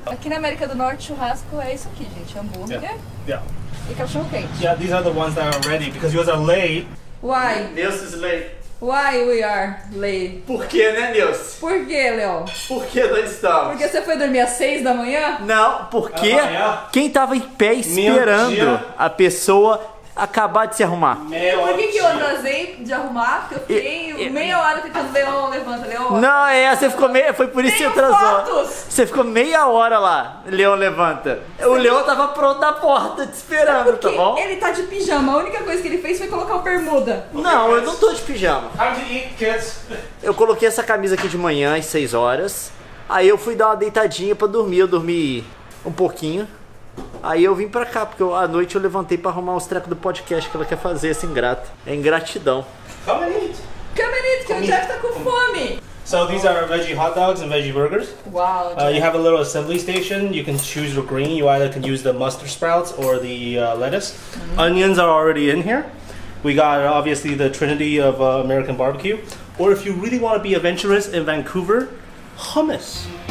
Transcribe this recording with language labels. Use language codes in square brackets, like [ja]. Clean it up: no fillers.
[pt] Aqui na América do Norte, churrasco é isso aqui, gente. Hambúrguer. [en] Yeah. [pt] E cachorro quente. [en] Yeah, these are the ones that are ready because you guys are late. Why? Deus is late. Why we are late? [pt] Por que, né, Deus? Por que, Leon? Por que nós estamos? Porque você foi dormir às 6 da manhã? Não, porque quem tava em pé esperando a pessoa acabar de se arrumar? Meu, por que que eu atrasei de arrumar? Porque eu fiquei meia hora tentando o Leon levanta, Leon. Não, é, você ficou meia, foi por isso que você atrasou. Fotos. Você ficou meia hora lá, Leon levanta. Você o Leon tava pronto na porta, te esperando, tá bom? Ele tá de pijama, a única coisa que ele fez foi colocar o bermuda. Não, eu não tô de pijama. [en] Time to eat, kids. [pt] Eu coloquei essa camisa aqui de manhã, às 6 horas. Aí eu fui dar uma deitadinha pra dormir, eu dormi um pouquinho. Aí eu vim pra cá, porque à noite eu levantei pra arrumar os trecos do podcast que ela quer fazer, essa ingrata. É ingratidão. [en] Come and eat! Come and eat, [pt] que o Jeff tá com fome! [en] So these are veggie hot dogs and veggie burgers. Wow. You have a little assembly station. You can choose the green. You either can use the mustard sprouts or the lettuce. Mm-hmm. Onions are already in here. We got, obviously, the trinity of American barbecue. Or if you really want to be adventurous in Vancouver, hummus.